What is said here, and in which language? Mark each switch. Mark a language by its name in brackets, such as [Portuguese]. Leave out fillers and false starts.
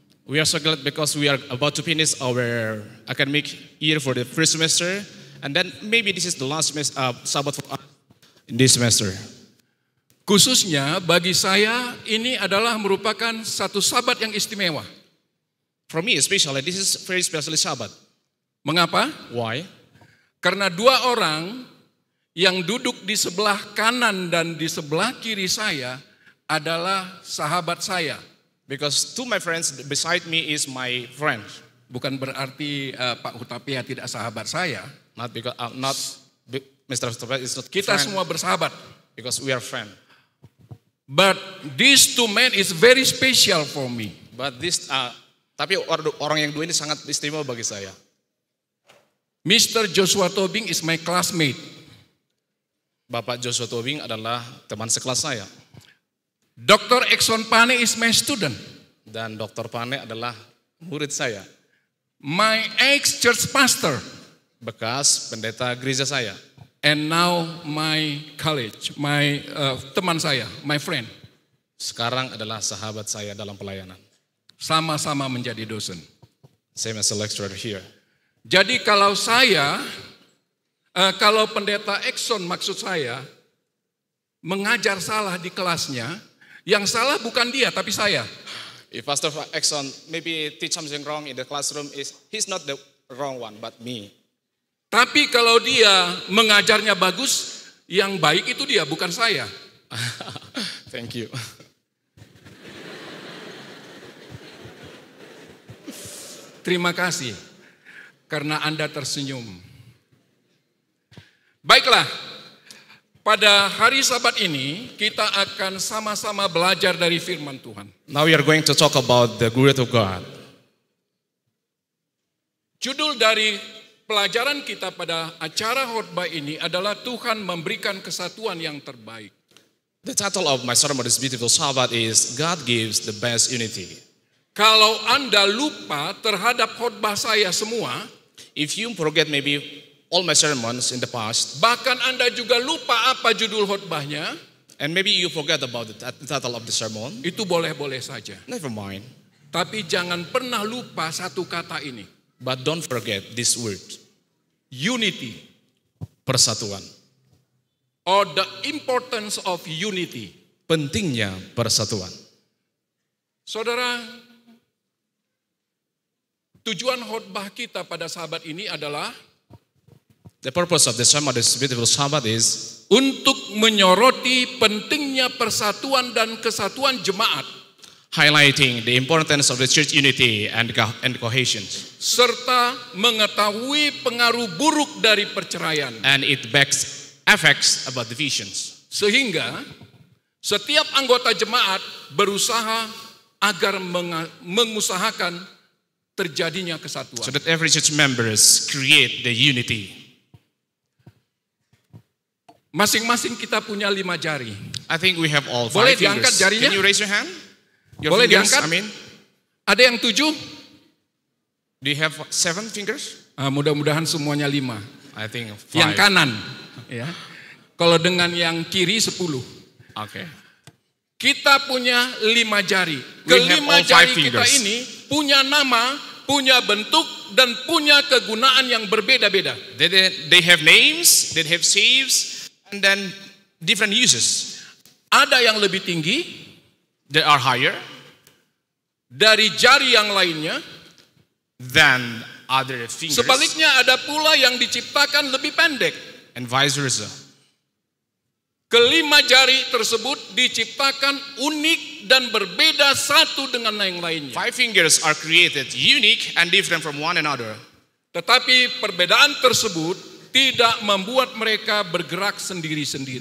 [English] We are so glad because we are about to finish our academic year for the first semester and then maybe this is the last Sabat for us in this semester. [Indonesian] Khususnya bagi saya ini adalah merupakan satu sabat yang istimewa. [English] For me especially, this is very special sabat. [Indonesian] Mengapa? [English] Why? [Indonesian] Karena dua orang yang duduk di sebelah kanan dan di sebelah kiri saya adalah sahabat saya. [English] Because two my friends beside me is my friends. [Indonesian] Bukan berarti Pak Hutapea tidak sahabat saya. [English] Not because not Mr. Hutapea is not. [Indonesian] Kita semua bersahabat. [English] Because we are friends. But these two men is very special for me. But this [Indonesian] Tapi orang yang dua ini sangat istimewa bagi saya. [English] Mr. Joshua Tobing is my classmate. [Indonesian] Bapak Joshua Tobing adalah teman sekelas saya. [English] Dr. Exxon Pane is my student. [Indonesian] Dan Dr. Pane adalah murid saya. [English] My ex-church pastor. [Indonesian] Bekas pendeta gereja saya. [English] And now my college, my [Indonesian] teman saya, [English] my friend. [Indonesian] Sekarang adalah sahabat saya dalam pelayanan. Sama-sama menjadi dosen. [English] Same as a lecturer here. [Indonesian] Jadi kalau saya, kalau pendeta Exxon maksud saya, mengajar salah di kelasnya, yang salah bukan dia, tapi saya. [English] If Pastor Exxon maybe teach something wrong in the classroom, he's not the wrong one, but me. [Indonesian] Tapi kalau dia mengajarnya bagus, yang baik itu dia, bukan saya. [English] Thank you. [Indonesian] Terima kasih, karena Anda tersenyum. Baiklah, pada hari Sabat ini, kita akan sama-sama belajar dari firman Tuhan. [English] Now we are going to talk about the glory of God. [Indonesian] Judul dari pelajaran kita pada acara khotbah ini adalah Tuhan memberikan kesatuan yang terbaik. [English] The title of my sermon this beautiful Sabbat is God gives the best unity. [Indonesian] Kalau Anda lupa terhadap khotbah saya semua, [English] if you forget maybe all my sermons in the past, [Indonesian] bahkan Anda juga lupa apa judul khotbahnya, [English] and maybe you forget about the title of the sermon, [Indonesian] itu boleh-boleh saja. [English] Never mind. [Indonesian] Tapi jangan pernah lupa satu kata ini. [English] But don't forget this word. Unity. [Indonesian] Persatuan. [English] Or the importance of unity. [Indonesian] Pentingnya persatuan. Saudara, tujuan khotbah kita pada sahabat ini adalah [English] the purpose of the sermon, this beautiful sahabat is [Indonesian] untuk menyoroti pentingnya persatuan dan kesatuan jemaat. [English] Highlighting the importance of the church unity and cohesion. [Indonesian] Serta mengetahui pengaruh buruk dari perceraian. [English] And it backs effects about divisions. [Indonesian] Sehingga setiap anggota jemaat berusaha agar mengusahakan terjadinya kesatuan. [English] So that every church members create the unity. [Indonesian] Masing-masing kita punya 5 jari. [English] I think we have all 5 [Indonesian] Boleh diangkat jarinya? [English] Can you raise your hand? Your [Indonesian] boleh [English] fingers, [Indonesian] diangkat? [English] I mean. [Indonesian] Ada yang 7? [English] Do you have 7 fingers? [Indonesian] Mudah-mudahan semuanya 5. [English] I think 5. [Indonesian] Yang kanan. Ya. Kalau dengan yang kiri 10. [English] Oke. Okay. [Indonesian] Kita punya 5 jari. Kelima jari kita ini punya nama, punya bentuk, dan punya kegunaan yang berbeda-beda. [English] They have names, they have shapes, and then different uses. [Indonesian] Ada yang lebih tinggi. [English] They are higher [Indonesian] dari jari yang lainnya [English] than other fingers. [Indonesian] Sebaliknya ada pula yang diciptakan lebih pendek. [English] And vice versa. [Indonesian] Kelima jari tersebut diciptakan unik dan berbeda satu dengan yang lainnya. [English] Five fingers are created unique and different from one another. [Indonesian] Tetapi perbedaan tersebut tidak membuat mereka bergerak sendiri-sendiri.